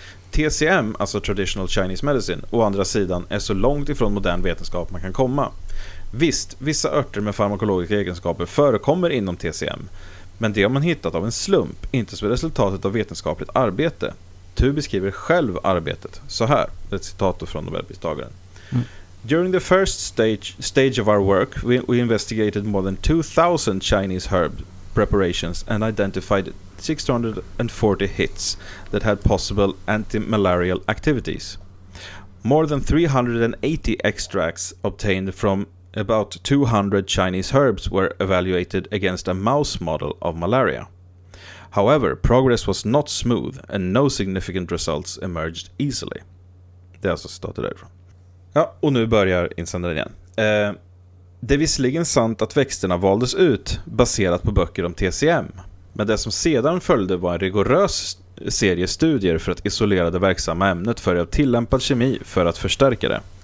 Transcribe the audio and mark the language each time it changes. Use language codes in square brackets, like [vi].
[sv] TCM, alltså traditional Chinese medicine, å andra sidan är så långt ifrån modern vetenskap man kan komma. Visst, vissa örter med farmakologiska egenskaper förekommer inom TCM, men det har man hittat av en slump, inte som resultatet av vetenskapligt arbete. Tu beskriver själv arbetet så här, ett citat från Nobelpristagaren. [en] During the first stage of our work, we investigated more than 2,000 Chinese herb preparations and identified 640 hits that had possible anti-malarial activities. More than 380 extracts obtained from about 200 Chinese herbs were evaluated against a mouse model of malaria. However, progress was not smooth and no significant results emerged easily. [sv] Det är alltså citatet därifrån. Ja, och nu börjar insändaren igen. Det är visserligen sant att växterna valdes ut baserat på böcker om TCM. Men det som sedan följde var en rigorös seriestudier för att isolera det verksamma ämnet för att tillämpa kemi för att förstärka det.